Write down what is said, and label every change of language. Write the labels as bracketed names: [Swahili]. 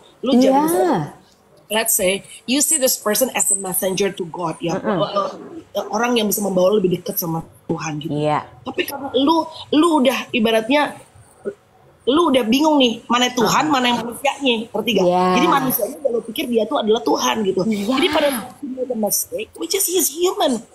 [Indonesian] Lu jangan bisa, [English] let's say, you see this person as a messenger to God, ya. [Indonesian] Orang yang bisa membawa lebih dekat sama Tuhan gitu. Tapi karena lu udah ibaratnya, lu udah bingung nih, mana Tuhan, mana yang manusianya, ngerti gak? Jadi manusianya udah lu pikir dia tuh adalah Tuhan gitu. Jadi pada saat dia mistake, [English] which is he's human.